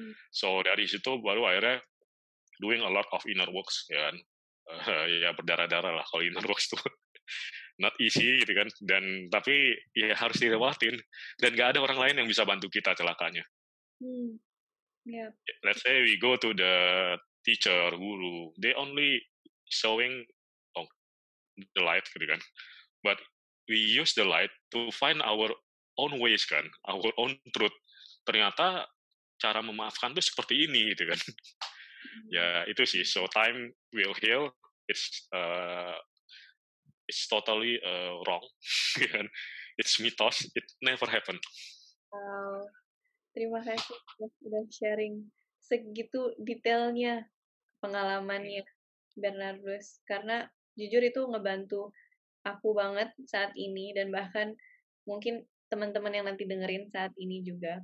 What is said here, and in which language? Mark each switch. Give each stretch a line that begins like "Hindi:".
English: So
Indonesian: dari situ baru akhirnya
English: doing a lot of inner works,
Indonesian: ya kan? Ya berdarah-darah lah kalau
English: inner works
Indonesian: itu.
English: Not easy
Indonesian: gitu kan, dan tapi ya harus dilewatin, dan gak ada orang lain yang bisa bantu kita celakanya.
English: Yeah. Let's say we go to the teacher, guru, they only showing the light
Indonesian: gitu kan,
English: but we use the light to find our own ways kan, our own truth.
Indonesian: Ternyata cara memaafkan tuh seperti ini gitu kan. Ya itu sih,
English: so time will heal, it's totally wrong. It's mythos. It never happened. Wow.
Indonesian: Terima kasih sudah sharing segitu detailnya pengalamannya, Bernardus. Karena jujur itu ngebantu aku banget saat ini, dan bahkan mungkin teman-teman yang nanti dengerin saat ini juga.